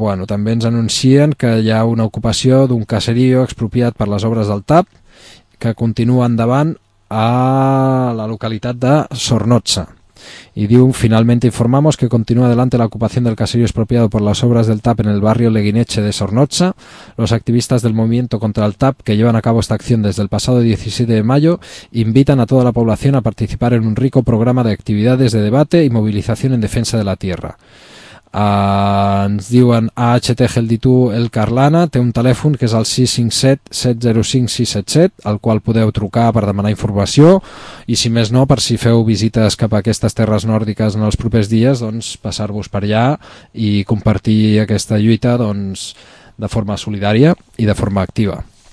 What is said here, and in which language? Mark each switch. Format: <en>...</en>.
<ca>També ens anuncien que hi ha una ocupació d'un caserío expropiat per les obres del TAP que continua endavant a la localitat de Sornotxa.</ca> <es>Y</es> <ca>diu,</ca> <es>finalmente informamos que continúa adelante la ocupación del caserío expropiado por las obras del TAP en el barrio Leguineche de Sornocha. Los activistas del movimiento contra el TAP, que llevan a cabo esta acción desde el pasado 17 de mayo, invitan a toda la población a participar en un rico programa de actividades de debate y movilización en defensa de la tierra.</es> <ca>Ens diuen AHT Gelditu El Carlana, té un telèfon que és el 657-705-677, al qual podeu trucar per demanar informació, i si més no, per si feu visites cap a aquestes terres nòrdiques en els propers dies, doncs passar-vos per allà i compartir aquesta lluita, doncs, de forma solidària i de forma activa.</ca>